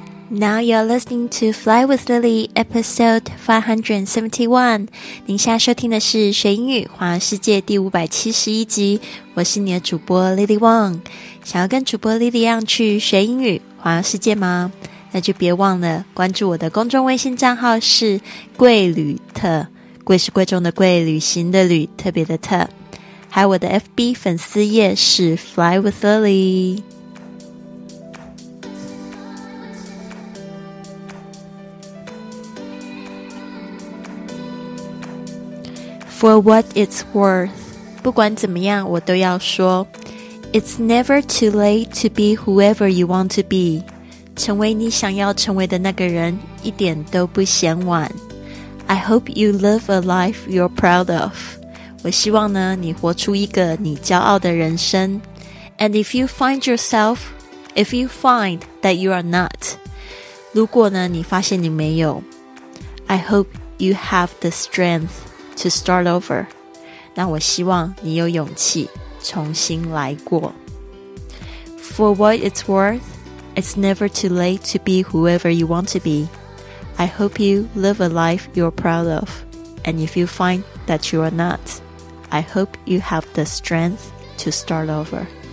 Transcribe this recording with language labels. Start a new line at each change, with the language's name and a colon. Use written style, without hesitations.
English: Now you're listening to Fly with Lily, episode 571.
Chinese: 您现在收听的是学英语环游世界第571集。我是你的主播 Lily Wong。想要跟主播 Lily 一样去学英语环游世界吗？那就别忘了关注我的公众微信账号是贵旅特。贵是贵重的贵，旅行的旅，特别的特。还有我的 FB 粉丝页是 Fly with Lily。
English: For what it's worth,
Chinese: 不管怎么样我都要说
English: It's never too late to be whoever you want to be.
Chinese: 成为你想要成为的那个人一点都不嫌晚。
English: I hope you live a life you're proud of.
Chinese: 我希望呢你活出一个你骄傲的人生。
English: And if you find yourself, if you find that you are not,
Chinese: 如果呢你发现你没有
English: I hope you have the strength. To start over.
Chinese: 那我希望你有勇气重新来过。
English: For what it's worth, it's never too late to be whoever you want to be. I hope you live a life you're proud of. And if you find that you are not, I hope you have the strength to start over.